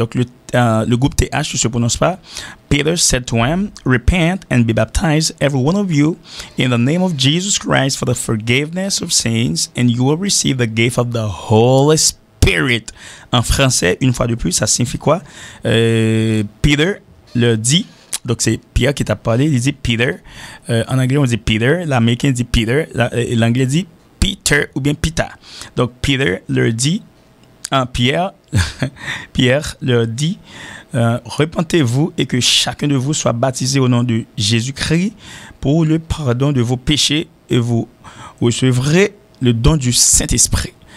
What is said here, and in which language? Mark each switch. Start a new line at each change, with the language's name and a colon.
French: Donc le groupe T-H ne se prononce pas.
English: Peter said to him, Repent and be baptized, every one of you, in the name of Jesus Christ for the forgiveness of sins, and you will receive the gift of the Holy Spirit.
French: En français, une fois de plus, ça signifie quoi? Peter le dit. Donc, c'est Pierre qui t'a parlé. Il dit Peter. En anglais, on dit Peter. L'américain dit Peter. L'anglais dit Peter ou bien Peter. Donc, Peter leur dit, Pierre leur dit, repentez-vous et que chacun de vous soit baptisé au nom de Jésus-Christ pour le pardon de vos péchés et vous recevrez le don du Saint-Esprit.